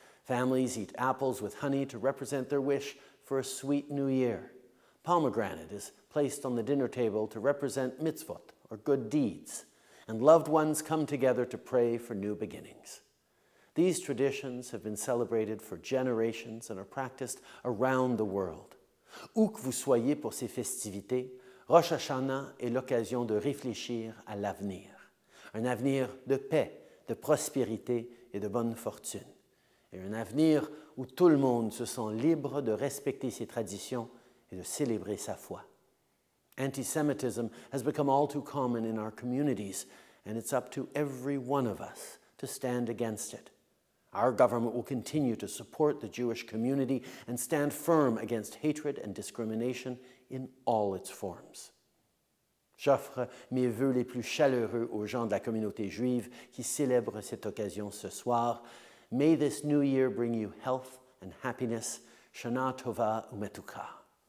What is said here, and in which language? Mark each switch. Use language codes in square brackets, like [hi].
[en] Families eat apples with honey to represent their wish for a sweet new year. Pomegranate is placed on the dinner table to represent mitzvot, or good deeds. And loved ones come together to pray for new beginnings. These traditions have been celebrated for generations and are practiced around the world. [fr] Où que vous soyez pour ces festivités, Rosh Hashanah est l'occasion de réfléchir à l'avenir. Un avenir de paix, de prospérité et de bonne fortune. Et un avenir où tout le monde se sent libre de respecter ses traditions et de célébrer sa foi. [en] Antisemitism has become all too common in our communities, and it's up to every one of us to stand against it. Our government will continue to support the Jewish community and stand firm against hatred and discrimination in all its forms. [fr] J'offre mes vœux les plus chaleureux aux gens de la communauté juive qui célèbrent cette occasion ce soir. [en] May this new year bring you health and happiness. [he] Shana Tova Umetukah.